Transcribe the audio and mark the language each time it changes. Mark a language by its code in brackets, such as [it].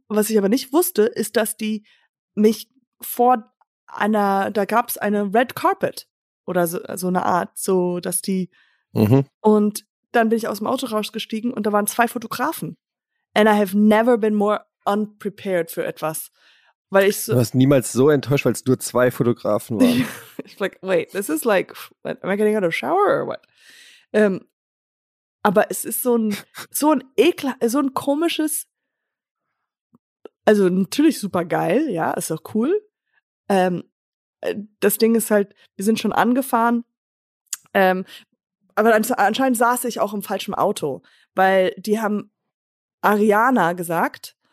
[de] Was ich aber nicht wusste, ist, dass die mich vor einer, da gab es eine Red Carpet oder so eine Art, so dass die. Mhm. Und dann bin ich aus dem Auto rausgestiegen und da waren 2 Fotografen. [en] And I have never been more unprepared [de] für etwas. Weil ich so, du warst niemals so enttäuscht, weil es nur 2 Fotografen waren. Ich [en] like, wait, this is like, am I getting out of shower or what? [de] Aber es ist so ein komisches, also natürlich super geil, ja, ist auch cool. Das Ding ist halt, wir sind schon angefahren, aber anscheinend saß ich auch im falschen Auto, weil die haben Ariana gesagt